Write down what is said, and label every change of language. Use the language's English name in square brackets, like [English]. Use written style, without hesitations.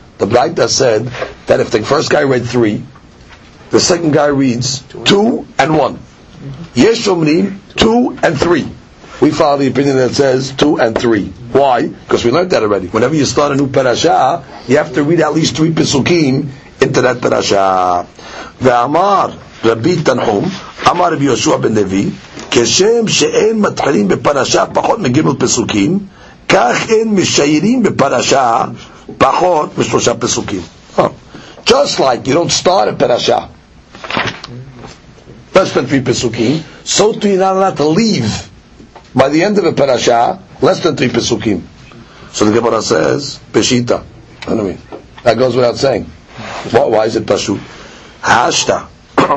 [English] The Braita said that if the first guy read 3, the second guy reads 2 and 1. [Hebrew] Yesh Umrim, [English] 2 and 3. We follow the opinion that says 2 and 3. Why? Because we learned that already. Whenever you start a new parasha, you have to read at least 3 pesukim into that parasha. [Hebrew] Ve'amar Rabbi Tanhum, Amar Rabbi Yoshua ben Levi, Keshem she'en matchilim beparasha pachot megimel pesukim, כך אין משיירים בפרשה פחות משלושה פסוקים. [English] Just like you don't start a parasha, less than 3 פסוקים, so too you're not allowed to leave by the end of a parasha, less than 3 פסוקים. So the Gemara says, פשיטה. I mean, that goes without saying. Why is it פשוט? האשתה.